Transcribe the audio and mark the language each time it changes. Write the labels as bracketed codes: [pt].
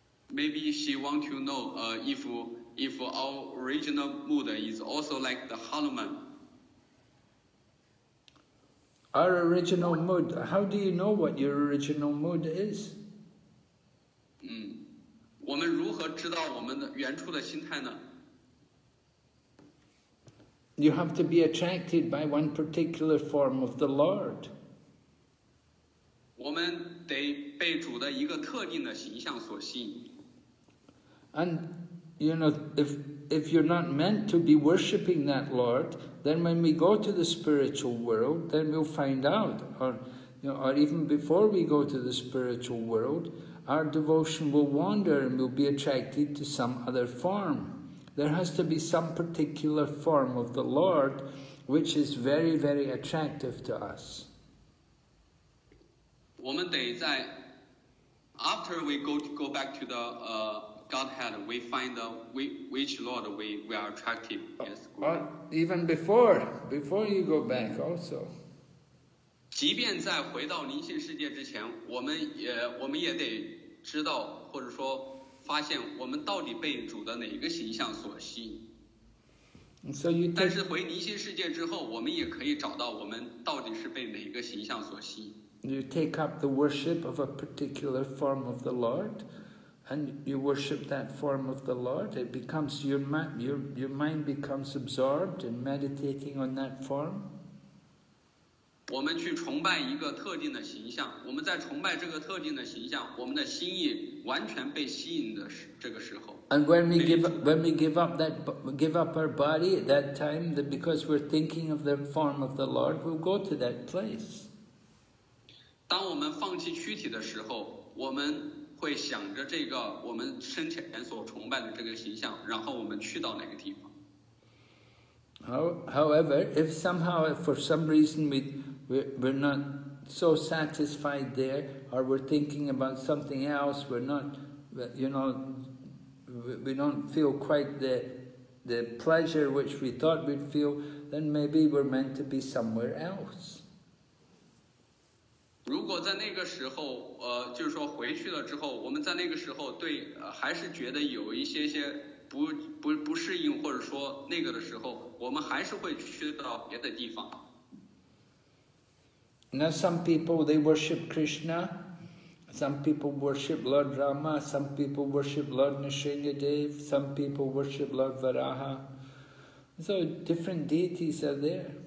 [en] Maybe she want to know if our original mood is also like the Hanuman. Our original mood, how do you know what your original mood is? [zh] 我们如何知道我们的原初的心态呢？ [en] You have to be attracted by one particular form of the Lord. [zh] 我们得被主的一个特定的形象所吸引。 [en] And You know, if you're not meant to be worshipping that Lord, then when we go to the spiritual world, then we'll find out. Or even before we go to the spiritual world, our devotion will wander and we'll be attracted to some other form. There has to be some particular form of the Lord which is very, very attractive to us. After we go back to the Godhead, we find which Lord we are attracted. Yes. Even before you go back also. [zh] 即便在回到灵性世界之前，我们也得知道，或者说发现我们到底被主的哪个形象所吸引。 [en] So、you take, [zh] 但是回灵性世界之后，我们也可以找到我们到底是被哪个形象所吸引。 [en] You take up the worship of a particular form of the Lord, and you worship that form of the Lord. It becomes your mind becomes absorbed in meditating on that form. [zh] 我们去崇拜一个特定的形象，我们在崇拜这个特定的形象，我们的心意完全被吸引的这个时候。 [en] And when we give up our body at that time, that because we're thinking of the form of the Lord, we'll go to that place. [zh] 当我们放弃躯体的时候，我们会想着这个我们生前所崇拜的这个形象，然后我们去到哪个地方。 [en] However, if somehow for some reason we're not so satisfied there, or we're thinking about something else, we're not, you know, we don't feel quite the pleasure which we thought we'd feel, then maybe we're meant to be somewhere else. [zh] 如果在那个时候，就是说回去了之后，我们在那个时候对，还是觉得有一些些不适应，或者说那个的时候，我们还是会去到别的地方。 [en] Now some people, they worship Krishna, some people worship Lord Rama, some people worship Lord Nrsingadev, some people worship Lord Varaha. So different deities are there.